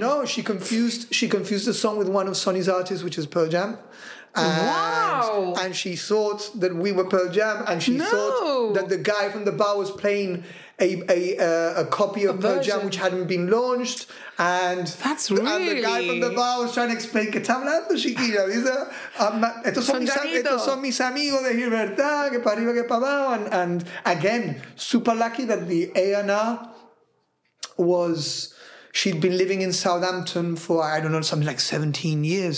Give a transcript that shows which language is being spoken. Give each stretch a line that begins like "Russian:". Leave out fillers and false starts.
English: No, she confused the song with one of Sonny's artists, which is Pearl Jam. And she thought that we were Pearl Jam, and she thought that the guy from the bar was playing a copy of Pearl Jam which hadn't been launched. And that's really. And the guy from the bar was trying to explain
Spanish: que está hablando chiquillo. Estos son mis amigos de Gibraltar, que para arriba, que para abajo.
English: And again, super lucky that the A&R was. She'd been living in Southampton for, I don't know, something like 17 years.